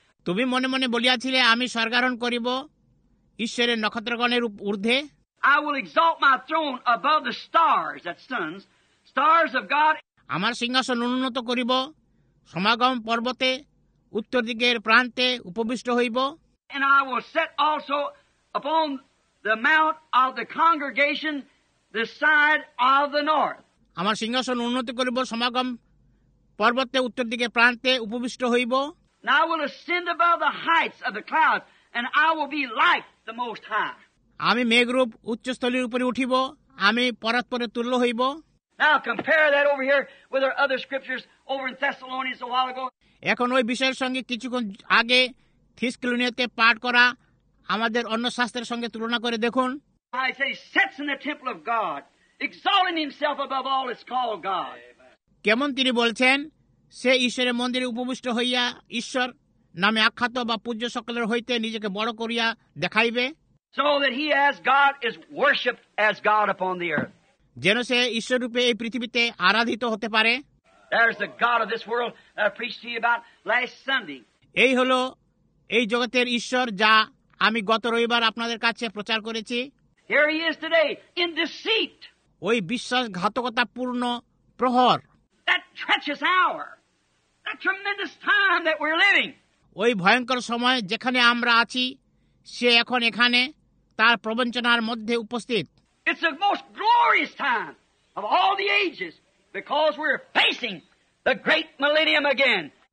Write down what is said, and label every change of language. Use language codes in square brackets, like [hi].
[bn] তুমি মনে মনে বলিয়াছিলে আমি স্বর্গারোহণ করিব ঈশ্বরের নক্ষত্রগণের ঊর্ধ্বে. [en] I will exalt my throne above the stars, that suns, stars of God. [bn] আমার সিংহাসন উন্নত করিব সমাগম পর্বতে উত্তর দিকের প্রান্তে উপবিষ্ট হইব. [en] And I will set also upon the mount of the congregation the side of the north. [bn] আমার সিংহাসন উন্নত করিব সমাগম পর্বতে উত্তর দিকের প্রান্তে উপবিষ্ট হইব. [en] Now I will ascend above the heights of the clouds and I will be like the most high. [bn] আমি মেঘরূপ উচ্চস্থলীর উপরে উঠিব আমি পরাৎপরে তুল্য হইব. [en] Now compare that over here with our other scriptures over in Thessalonians a while ago. [bn] এখন ওই বিষয়ের সঙ্গে কিছুক্ষণ আগে থিসক্লোনিয়াতে পাঠ করা আমাদের অন্য শাস্ত্রের সঙ্গে তুলনা করে দেখুন. [en] I say sits in the temple of God, exalting himself above all that's called God. [bn] কেমন তিনি বলছেন সে ঈশ্বরের মন্দিরে উপবিষ্ট হইয়া ঈশ্বর নামে আখ্যাত বা পূজ্য সকলের হইতে নিজেকে বড় করিয়া দেখাইবে. [en] So that he as God is worshipped as God upon the earth. [bn] যেন সে ঈশ্বর রূপে এই পৃথিবীতে আরাধিত হতে পারে. [en] There's the God of this world that I preached to you about last Sunday. [bn] এই হলো এই জগতের ঈশ্বর যা আমি গত রবিবার আপনাদের কাছে প্রচার করেছি. [en] Here he is today in deceit. [bn] ওই বিশ্বাসঘাতকতাপূর্ণ প্রহর. [en] That treacherous hour. That tremendous time that we're living. [bn] ওই ভয়ঙ্কর সময় যেখানে আমরা আছি সে এখন এখানে তার প্রবঞ্চনার মধ্যে উপস্থিত. [en] It's the most glorious time of all the ages because we're facing the great millennium again.